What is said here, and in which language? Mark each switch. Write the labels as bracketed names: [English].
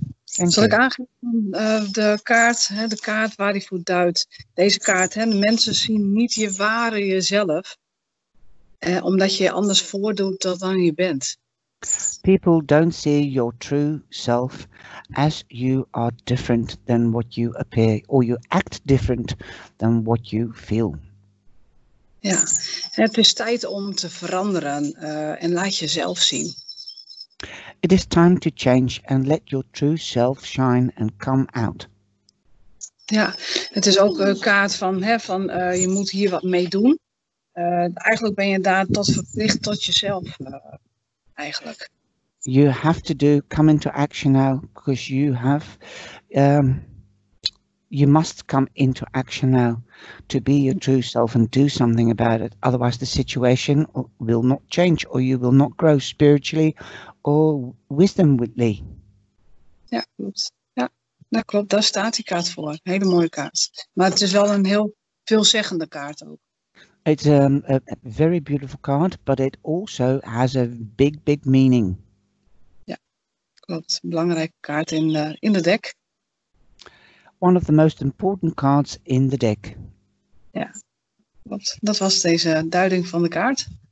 [English] Thank Zal you. [Dutch] Ik aangeven de kaart, hè, de kaart waar hij voor duidt. Deze kaart, hè, de mensen zien niet je ware jezelf, omdat je anders voordoet dan je bent. [English] People don't see your true self as you are different than what you appear, or you act different than what you feel. [Dutch] Ja, het is tijd om te veranderen en laat jezelf zien. [English] It is time to change and let your true self shine and come out. [Dutch] Ja, het is ook een kaart van, hè, van je moet hier wat mee doen. Eigenlijk ben je daar tot verplicht tot jezelf. Eigenlijk. [English] You have to do come into action now because you have you must come into action now to be your true self and do something about it. Otherwise the situation will not change or you will not grow spiritually or wisdomly. [Dutch] Ja, klopt. Ja, dat klopt. Daar staat die kaart voor. Hele mooie kaart. Maar het is wel een heel veelzeggende kaart ook. [English] It's a very beautiful card, but it also has a big, big meaning. [Dutch] Ja, klopt. Belangrijke kaart in de deck. [English] One of the most important cards in the deck. [Dutch] Ja, klopt. Dat was deze duiding van de kaart.